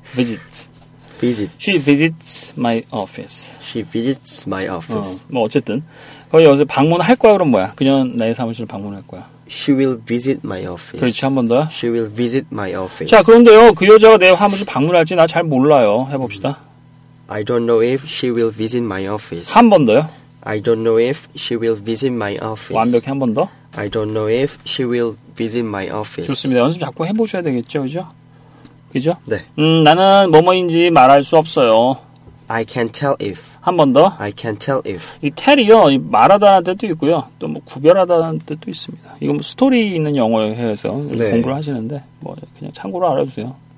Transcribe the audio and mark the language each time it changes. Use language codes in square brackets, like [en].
[en] Visits. She visits my office. She visits my office. [ko] 뭐 어쨌든 거기 여기서 방문할 거야 그럼 뭐야? 그냥 내 사무실을 방문할 거야. [en] She will visit my office. [ko] 그렇지, 한 번 더. [en] She will visit my office. [ko] 자, 그런데요, 그 여자가 내 사무실 방문할지 나 잘 몰라요. 해봅시다. [en] I don't know if she will visit my office. [ko] 한 번 더요. [en] I don't know if she will visit my office. [ko] 완벽히 한 번 더. [en] I don't know if she will visit my office. [ko] 좋습니다. 연습 자꾸 해보셔야 되겠죠, 그죠? 그죠? 네. 나는 뭐뭐인지 말할 수 없어요. [en] I can't tell if. [ko] 한 번 더. [en] I can't tell if. [ko] 이 tell이요. 이 말하다는 뜻도 있고요. 또 뭐 구별하다는 뜻도 있습니다. 이거 뭐 스토리 있는 영어에서 네. 공부를 하시는데 뭐 그냥 참고로 알아주세요.